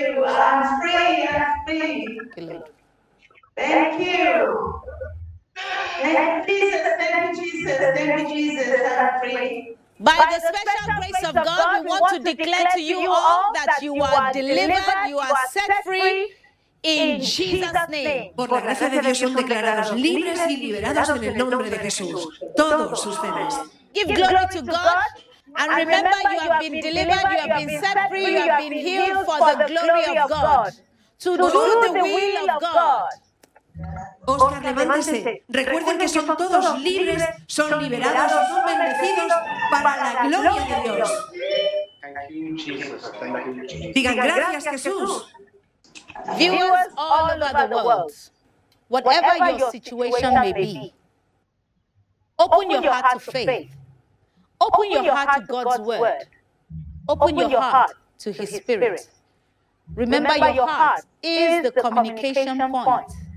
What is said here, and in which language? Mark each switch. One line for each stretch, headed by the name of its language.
English: I'm free. Thank you, Jesus. I'm free. By the special grace of God, we want to declare to you all that you are delivered, you are set free. In Jesus' name.
Spanish: Por la gracia de Dios son declarados libres y liberados en el nombre de Jesús. Todos ustedes.
English: Give glory to God. And remember, you have been delivered, you have been set free, you have been healed for the glory of God. To do the will of God.
Spanish: Oscar, levántese. Recuerden que son todos libres, son liberados, son bendecidos para la gloria de Dios. Digan gracias, Jesús.
English: Viewers all over the world, whatever your situation may be, Open your heart to faith. Open your heart to God's word. Open your heart to his spirit. Remember, your heart is the communication point.